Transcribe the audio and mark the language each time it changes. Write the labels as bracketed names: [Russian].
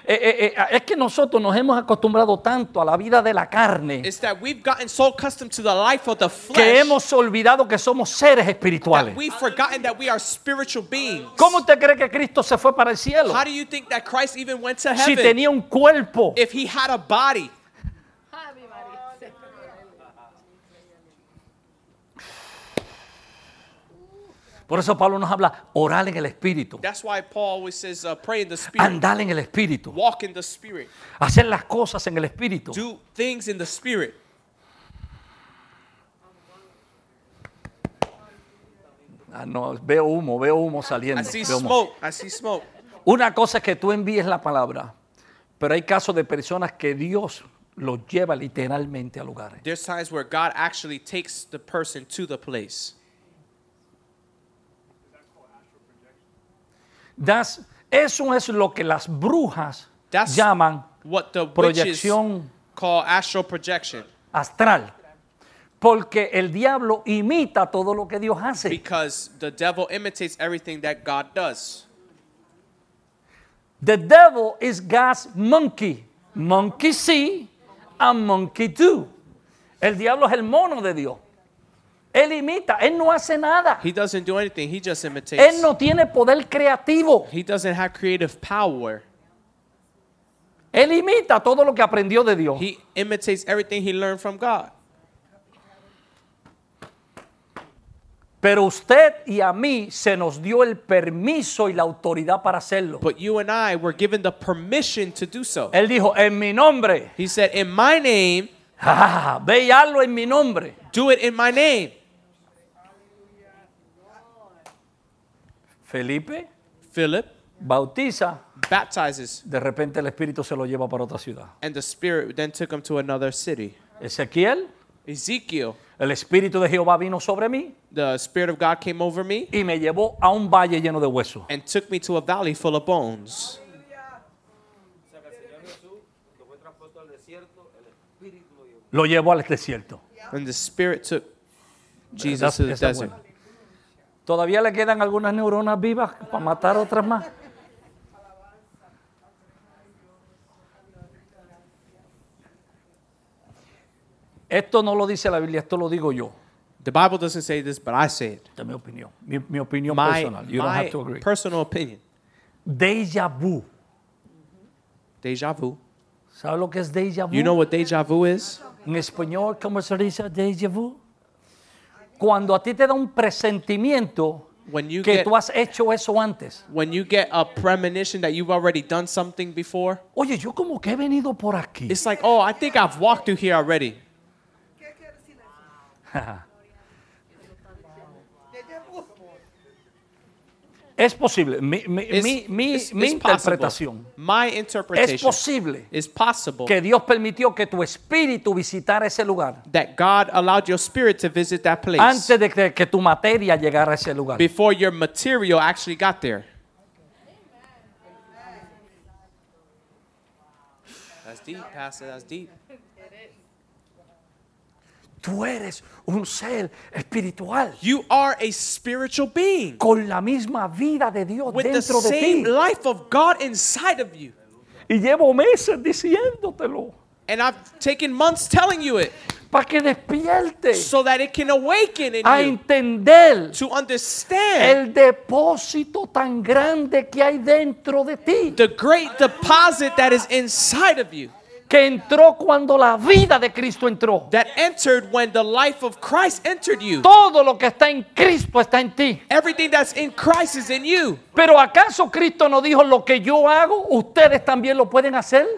[Spanish] Es que nosotros nos hemos acostumbrado tanto a la vida de la carne. [English] It's that we've gotten so accustomed to the life of the flesh. [Spanish] Que hemos olvidado que somos seres espirituales. [English] We've forgotten that we are spiritual beings. [Spanish] ¿Cómo usted cree que Cristo se fue para el cielo? [English] How do you think that Christ even went to heaven? [Spanish] Si tenía un cuerpo. [English] If he had a body. [Spanish] Por eso Pablo nos habla, orar en el Espíritu. [English] That's why Paul always says, pray in the Spirit. [Spanish] Andar en el Espíritu. [English] Walk in the Spirit. [Spanish] Hacer las cosas en el Espíritu. [English] Do things in the Spirit. [Spanish] Ah, no, veo humo saliendo. [English] I see smoke. [Spanish] Una cosa es que tú envíes la palabra, pero hay casos de personas que Dios los lleva literalmente a lugares. [English] There's times where God actually takes the person to the place. [Spanish] Eso es lo que las brujas llaman proyección, [English] call astral projection, [Spanish] astral, porque el diablo imita todo lo que Dios hace. [English] Because the devil imitates everything that God does. The devil is God's monkey. Monkey see and monkey do. [Spanish] El diablo es el mono de Dios. Él imita, él no hace nada. [English] He doesn't do anything, he just imitates. [Spanish] Él no tiene poder creativo. [English] He doesn't have creative power. [Spanish] Él imita todo lo que aprendió de Dios. [English] He imitates everything he learned from God. [Spanish] Pero usted y a mí se nos dio el permiso y la autoridad para hacerlo. [English] But you and I were given the permission to do so. [Spanish] Él dijo, en mi nombre. [English] He said, in my name. [Spanish] Ve y hazlo en mi nombre. [English] Do it in my name. [Spanish] Felipe. [English] Philip. [Spanish] Bautiza. [English] Baptizes. [Spanish] De repente el Espíritu se lo lleva para otra ciudad. [English] And the Spirit then took him to another city. [Spanish] Ezequiel. [English] Ezekiel. [Spanish] El Espíritu de Jehová vino sobre mí. [English] The Spirit of God came over me. [Spanish] Y me llevó a un valle lleno de huesos. [English] And took me to a valley full of bones. [Spanish] Lo llevó al desierto. [English] And the Spirit took Jesus to the desert. [Spanish] Buena. Todavía le quedan algunas neuronas vivas para matar otras más. Esto no lo dice la Biblia, esto lo digo yo. [English] The Bible doesn't say this, but I say it. [Spanish] Es mi opinión. Mi opinión personal. [English] You don't have to agree. My personal opinion. [Spanish] Deja vu. [English] Deja vu. [Spanish] ¿Sabes lo que es deja vu? [English] You know what deja vu is? [Spanish] En español, ¿cómo se dice déjà vu? Cuando a ti te da un presentimiento que tú has hecho eso antes. [English] When you get a premonition that you've already done something before. [Spanish] Oye, yo como que he venido por aquí. [English] It's like, oh, I think I've walked through here already. [Spanish] Es posible. Mi interpretación. [English] My interpretation. [Spanish] Es posible. [English] It's possible. [Spanish] Que Dios permitió que tu espíritu visitara ese lugar. [English] That God allowed your spirit to visit that place. [Spanish] Antes de que tu materia llegara a ese lugar. [English] Before your material actually got there. That's deep, Pastor. That's deep. [Spanish] Tú eres un ser espiritual. [English] You are a spiritual being. [Spanish] Con la misma vida de Dios dentro de ti. [English] With the same life of God inside of you. [Spanish] Y llevo meses diciéndotelo. [English] And I've taken months telling you it. [Spanish] Para que despierte. [English] So that it can awaken in you. [Spanish] A entender. [English] To understand. [Spanish] El depósito tan grande que hay dentro de ti. [English] The great deposit that is inside of you. [Spanish] Que entró cuando la vida de Cristo entró. [English] That entered when the life of Christ entered you. [Spanish] Todo lo que está en Cristo está en ti. [English] Everything that's in Christ is in you. [Spanish] Pero acaso Cristo no dijo lo que yo hago, ustedes también lo pueden hacer?